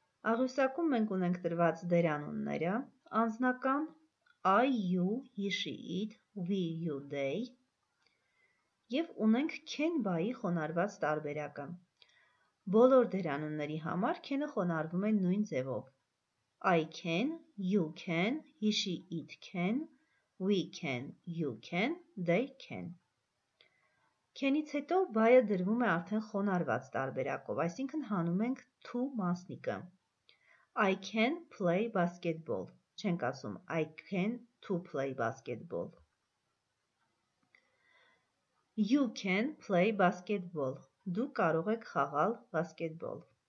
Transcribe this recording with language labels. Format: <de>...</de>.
<hy>Աղյուսակում մենք ունենք դրված դերանունները, անձնական I, you, he, she, it, we, you, they, եւ ունենք can by-ի խոնարհված տարբերակը. Բոլոր դերանունների համար can-ը խոնարհվում է նույն ձևով.</hy> <en>I can, you can, he, she, it can, we can, you can, they can.</en> <hy>Can-ից հետո by-ը դրվում է արդեն խոնարհված տարբերակով, այսինքն հանում ենք to մասնիկը.</hy> <en>I can play basketball.</en> <hy>Չենք ասում</hy> <en>I can to play basketball. You can play basketball.</en> <hy>Դու կարող եք խաղալ basketball.</hy>